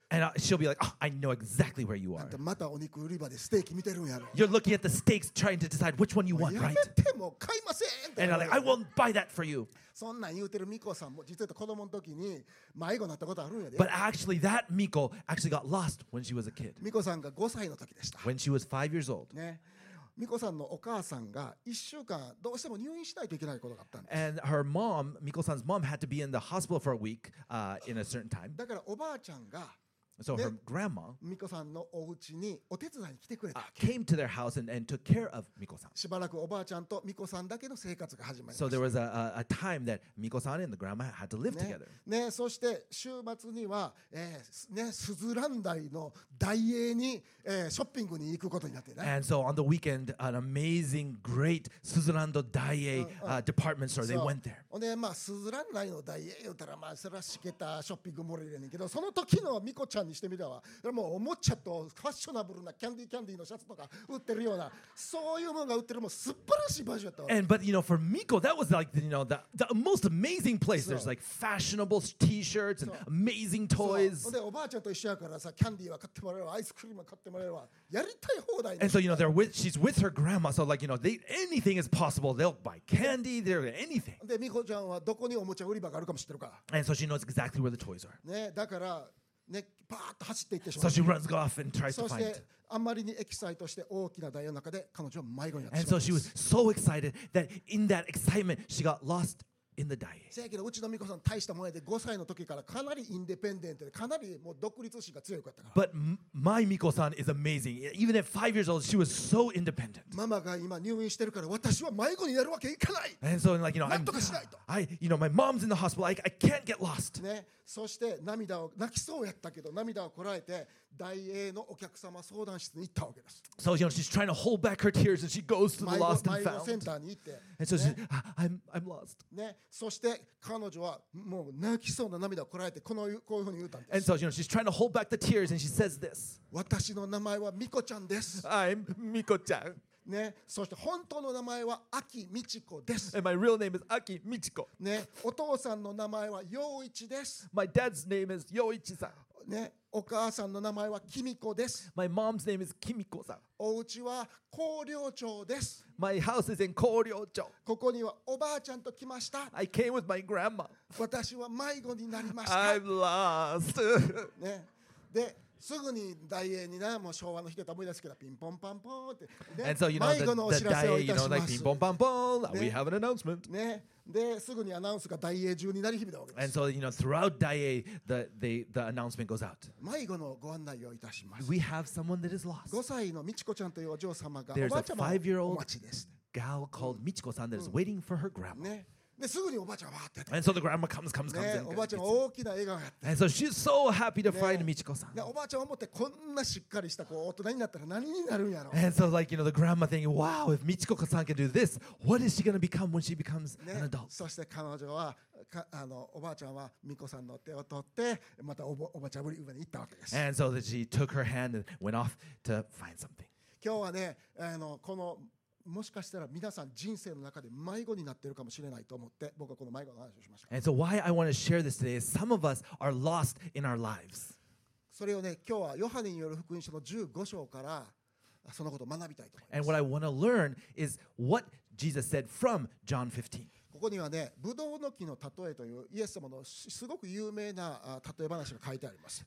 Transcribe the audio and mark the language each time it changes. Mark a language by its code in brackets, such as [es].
[en] And she'll be like, oh, I know exactly where you are. [ja] あんたまたお肉売り場でステーキ見てるんやろ。 [en] You're looking at the steaks trying to decide which one you want, right? [ja] やめてもう買いませんって。 [en] And I'm like, I won't buy that for you. [ja] そんなん言うてるミコさんも実は子供の時に迷子になったことあるんやで。 [en] But actually, that Miko actually got lost when she was a kid. [ja] ミコさんが5歳の時でした。 [en] When she was 5 years old. [ja] ね。美子さんのお母さんが1週間どうしても入院しないといけないことがあったんです。 [en] And her mom, Miko-san's mom, had to be in the hospital for a week, in a certain time. [ja] だからおばあちゃんが、 [en] so her grandma, [ja] 美子さんのお家にお手伝いに来てくれた。 [en] Came to their house and took care of Miko-san. [ja] しばらくおばあちゃんと美子さんだけの生活が始まりました。 [en] So there was a time that Miko-san and the grandma had to live together. [ja] ね、そして週末には、ね、スズラン台のダイエーに。ショッピングに行くことになってね。 [en] And so on the weekend, an amazing, great Suzurando Daiei department store. They went there. [ja] で、まあスズランダイのダイエー言ったらまあそれはしけたショッピングモールやねんけど、その時のミコちゃんにしてみたわ。もうおもちゃとファッショナブルなキャンディのシャツとか売ってるようなそういうものが売ってるもうすっばらしい場所だったわ。 [en] And but you know, for Miko, that was like the, you know, the most amazing place. There's like fashionable T-shirts and amazing toys. [ja] で、おばあちゃんと一緒やからさ、キャンディーは買ってもらえるアイスクリームは買って [en] And so you know they're with she's with her grandma, so like you know they anything is possible. They'll buy candy, they'll buy anything. [ja] で、みこちゃんはどこにおもちゃ売り場があるかも知ってるか。 [en] And so she knows exactly where the toys are. [ja] ね、だからね、パーッと走って行ってしまう。 [en] So she runs off and tries to find. [ja] あまりにエキサイトして大きな台の中で彼女は迷子になってしまう。 [en] And so she was so excited that in that excitement she got lost in the diet. [ja] せやけどうちのみこさん大したもんやで、5歳の時からかなりインディペンデントで、かなりもう独立心が強かったから。 [en] But my Miko-san is amazing. Even at 5 years old, she was so independent. [ja] ママが今入院してるから私は迷子になるわけいかない。 [en] And so like, you know, [ja] なんとかしないと。 [en] I, you know, my mom's in the hospital. I can't get lost. [ja] ね、そして涙を泣きそうやったけど涙をこらえて大英のお客様相談室に行ったわけです。 [en] So you know, she's trying to hold back her tears and she goes to the lost and found. [ja] 迷子センターに行って。 [en] And so she's, I'm lost. [ja] ね。そして彼女はもう泣きそうな涙をこらえてこういうふうに言ったんです。 [en] And so, you know, she's trying to hold back the tears and she says this. [ja] 私の名前はミコちゃんです。 [en] I'm Miko ちゃん。 [ja] ね、そして本当の名前はアキミチコです。 [en] And my real name is Aki Michiko. [ja] ね、お父さんの名前はヨウイチです。 [en] My dad's name is Yoichi さん。 [ja] ね、お母さんの名前はキミコです。 [en] My mom's name is Kimiko さん。 [ja] お家は広陵町です。 [en] My house is in 広陵町。 [ja] ここにはおばあちゃんと来ました。 [en] I came with my grandma. [ja] 私は迷子になりました。 [en] I'm lost. [ja] ね、で、すぐに大英にな、もう昭和の人と思い出すけど、ピンポンパンポンって、ね、 [en] And so, you know, [ja] 迷子のお知らせをいたします。 [en] The day, you know, like, [ja] ピンポンパンポン、ね、 [en] We have an announcement. [ja] ね。で、すぐにアナウンスが大英中になり響いたわけです。 [en] And so, you know, throughout 大英 the announcement goes out. [ja] 迷子のご案内をいたします。 [en] We have someone that is lost. [ja] 5歳のみちこちゃんというお嬢様が、 [en] There's [ja] おばあちゃまお待ちです。 [en] There's a five-year-old gal called みちこさん that is waiting for her grandma.、 [ja] ねで、すぐにおばあちゃんはって。 [en] And so the grandma comes、 [ja] ね、おばあちゃん大きな笑顔やって。 [en] And so she's so happy to find、ね、Michiko-san. [ja] おばあちゃん思って、こんなしっかりした子大人になったら何になるんやろ。 [en] And so like, you know, the grandma thinking, wow, if Michiko-san can do this, what is she going to become when she becomes、 [ja] ね、 [en] an adult? [ja] そして彼女は、あのおばあちゃんはミコさんの手を取って、またおばあちゃんぶり上に行ったわけです。 [en] And so that she took her hand and went off to find something. [ja] 今日はね、あのこのもしかしたら皆さん人生の中で迷子になっているかもしれないと思って僕はこの迷子の話をしました。 [en] And so why I want to share this today is some of us are lost in our lives. [ja] それをね、今日はヨハネによる福音書の15章からそのことを学びたいと思います。 [en] And what I want to learn is what Jesus said from John 15. [ja] ここにはね、ブドウの木の例えというイエス様のすごく有名な例え話が書いてあります。